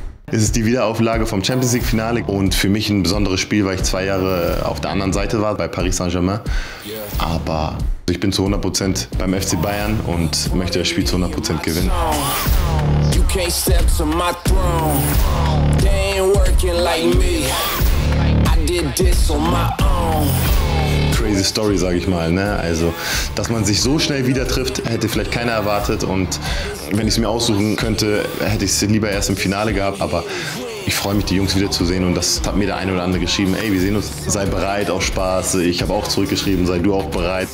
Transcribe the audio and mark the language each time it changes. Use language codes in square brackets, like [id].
[de] Es ist die Wiederauflage vom Champions League Finale und für mich ein besonderes Spiel, weil ich 2 Jahre auf der anderen Seite war, bei Paris Saint-Germain. Aber ich bin zu 100% beim FC Bayern und möchte das Spiel zu 100% gewinnen. [en] You can't step to my throne. They ain't working like me. I did this on my own. [de] Crazy Story, sag ich mal. Ne? Also, dass man sich so schnell wieder trifft, hätte vielleicht keiner erwartet. Und wenn ich es mir aussuchen könnte, hätte ich es lieber erst im Finale gehabt. Aber ich freue mich, die Jungs wiederzusehen. Und das hat mir der eine oder andere geschrieben. Ey, wir sehen uns. Sei bereit, auch Spaß. Ich habe auch zurückgeschrieben, sei du auch bereit.